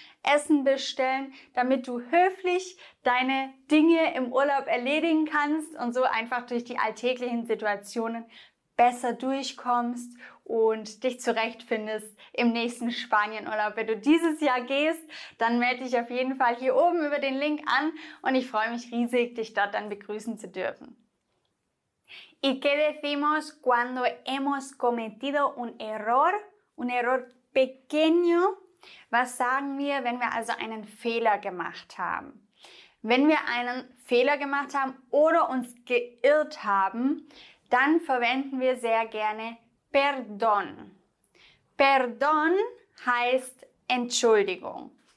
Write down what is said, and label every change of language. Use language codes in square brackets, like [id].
[de] Essen bestellen, damit du höflich deine Dinge im Urlaub erledigen kannst und so einfach durch die alltäglichen Situationen besser durchkommst und dich zurechtfindest im nächsten Spanienurlaub. Wenn du dieses Jahr gehst, dann melde dich auf jeden Fall hier oben über den Link an und ich freue mich riesig, dich dort dann begrüßen zu dürfen. [es] ¿Y qué decimos cuando hemos cometido un error pequeño [de] Was sagen wir, wenn wir also einen Fehler gemacht haben? Wenn wir einen Fehler gemacht haben oder uns geirrt haben, dann verwenden wir sehr gerne Perdón. Perdón heißt Entschuldigung.